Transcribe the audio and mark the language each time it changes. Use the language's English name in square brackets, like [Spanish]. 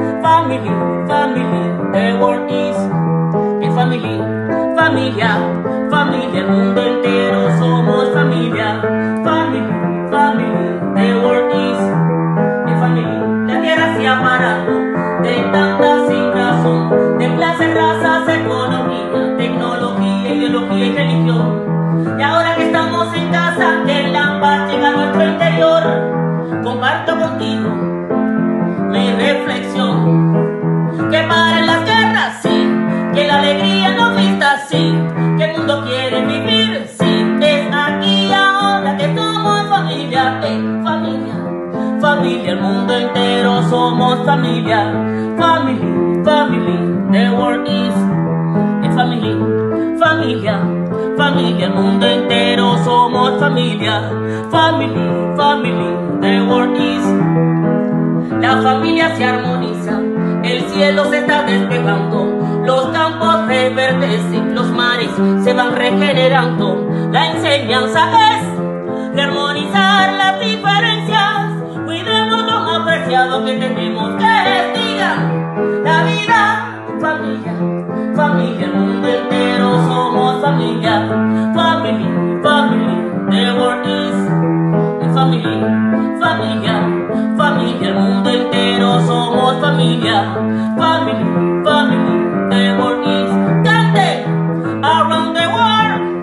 [English] Family, family, the world is a family. [Spanish] Familia, familia, el mundo entero somos familia. [English] Family, family, the world is a family. [Spanish] La tierra se amará de tanta sin razón, de clases, razas, economía, tecnología, ideología y religión. Y ahora que estamos en casa, que la paz llega a nuestro interior, comparto contigo mi reflexión. Que paren las guerras, sí, que la alegría no vista, sí, que el mundo quiere vivir, sí, es aquí ahora que somos familia, familia, familia, el mundo entero somos familia. [English] Family, family, the world is a family. [Spanish] Familia, familia, el mundo entero somos familia. [English] Family, family, the world is. [Spanish] La familia se armoniza, el cielo se está despejando, los campos reverdecen, los mares se van regenerando. La enseñanza es de armonizar las diferencias, cuidemos lo más preciado que tenemos, que es, diga, la vida. Familia, familia, el mundo entero somos familia. [English] Family, family, the world is a family. [Spanish] Familia, familia, el mundo entero somos familia. [English] Family, family, the world is. Cante around the world.